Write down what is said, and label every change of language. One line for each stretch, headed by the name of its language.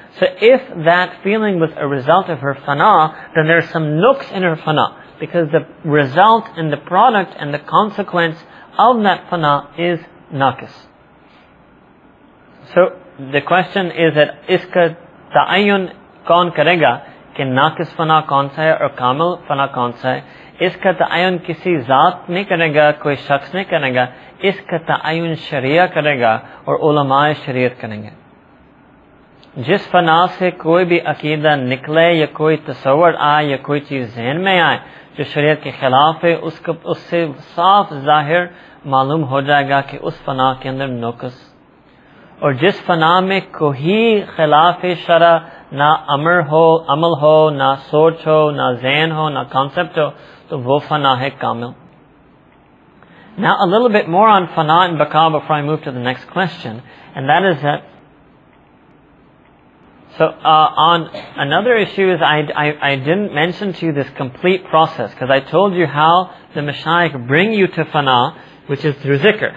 English: So if that feeling was a result of her fana, then there are some nooks in her fana. Because the result and the product and the consequence of that fana is naqis. So the question is that
Urdu: iska ta'ayun kaun karega? کہ ناقص فنا کون سا ہے اور کامل فنا کون سا ہے؟ اس کا تعین کسی ذات نے کرے گا، کوئی شخص نے کرے گا۔ اس کا تعین شریعہ کرے گا اور علمائے شریعت کریں گے۔ جس فنا سے کوئی بھی عقیدہ نکلے یا کوئی تصور آئے یا کوئی چیز ذہن میں آئے جو شریعت کے خلاف ہے، اس سے صاف ظاہر معلوم ہو جائے گا کہ اس فنا کے اندر نقص۔ اور جس فنا میں کوئی خلاف شرع نہ امر ہو، عمل ہو، نہ سوچ ہو، نہ ذہن ہو، نہ concept ہو، تو وہ فنا ہے کامل۔
English: Now a little bit more on fana and baka before I move to the next question, and that is that. So on another issue is I didn't mention to you this complete process, because I told you how the mashayikh bring you to fana, which is through zikr.